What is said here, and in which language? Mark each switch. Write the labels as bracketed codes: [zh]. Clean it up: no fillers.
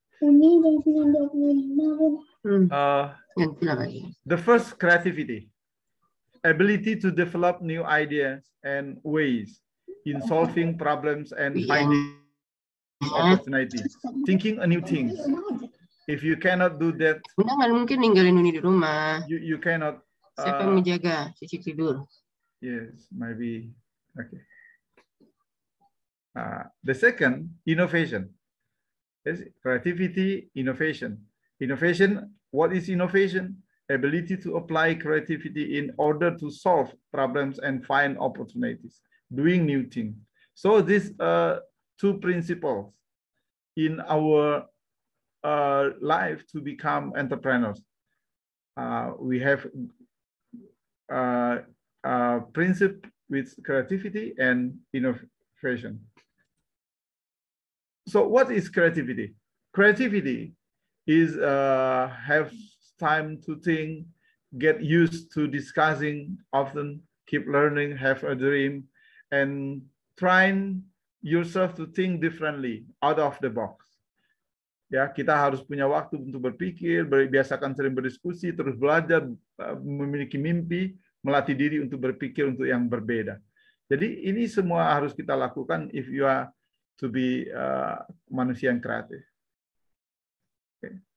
[en] The first, creativity, ability to develop new ideas and ways in solving problems and finding opportunities, thinking a new things. If you cannot do that, [id] nggak mungkin ninggalin Uni di rumah. [en] You cannot. [id] Siapa yang menjaga cuci tidur? [en] Yes, maybe. Okay. The second, innovation. Yes, creativity, innovation. Innovation. What is innovation? Ability to apply creativity in order to solve problems and find opportunities, doing new things. So these two principles in our life to become entrepreneurs. We have a principle with creativity and innovation. So what is creativity? Creativity is have time to think, get used to discussing often, keep learning, have a dream, and train yourself to think differently, out of the box. [id] Ya, kita harus punya waktu untuk berpikir, biasakan sering berdiskusi, terus belajar, memiliki mimpi, melatih diri untuk berpikir untuk yang berbeda. Jadi ini semua harus kita lakukan [en] if you are to be [id] manusia yang kreatif. Okay.